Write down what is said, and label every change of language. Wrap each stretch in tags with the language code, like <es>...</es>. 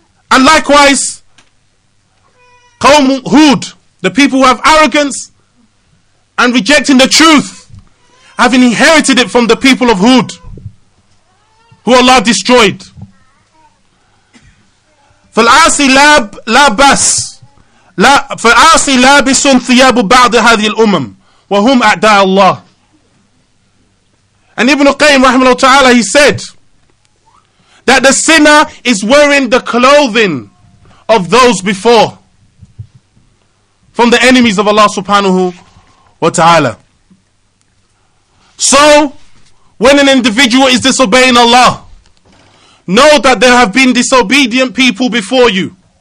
<en>And likewise, Qawm Hud, the people who have arrogance and rejecting the truth, have inherited it from the people of Hud, who Allah destroyed.</en> <ar>فَالْعَاسِ لَابَسْ. لا فالعاصي لابس ثياب بعض هذه الأمم وهم أعداء الله.</ar> <en>And Ibn Qayyim رحمه الله تعالى, he said that the sinner is wearing the clothing of those before from the enemies of Allah subhanahu wa ta'ala. So when an individual is disobeying Allah, know that there have been disobedient people before you.</en>